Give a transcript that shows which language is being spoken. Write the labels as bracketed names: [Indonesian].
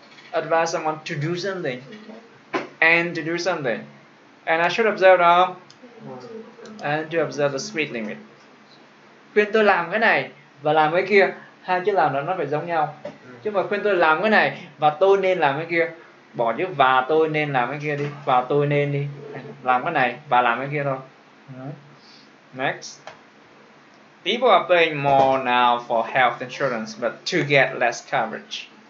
[English] Advise someone to do something and to do something and I should observe, [Vietnamese] được không? [English] And to observe the speed limit. [Vietnamese] Khuyên tôi làm cái này và làm cái kia. Hai chữ làm nó phải giống nhau. Chứ mà khuyên tôi làm cái này và tôi nên làm cái kia, bỏ chữ và tôi nên làm cái kia đi, và tôi nên đi, làm cái này và làm cái kia thôi. [English] Next. People are paying more now for health insurance but to get less coverage.